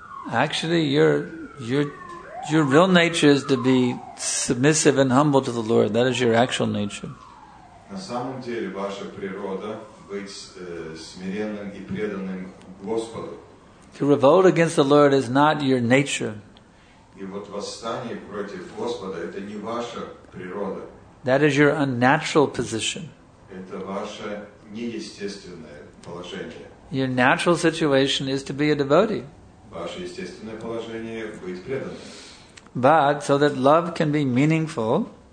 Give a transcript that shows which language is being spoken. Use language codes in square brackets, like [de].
[en] Actually, your real nature is to be submissive and humble to the Lord. That is your actual nature. [ru] На самом деле ваша природа быть смиренным и преданным Господу. [en] To revolt against the Lord is not your nature. [ru] И вот восстание против Господа это не ваша природа. [en] That is your unnatural position. [ru] Это ваше неестественное положение. [en] Your natural situation is to be a devotee. [ru] Ваше естественное положение – быть преданным. [en] But, so that love can be meaningful,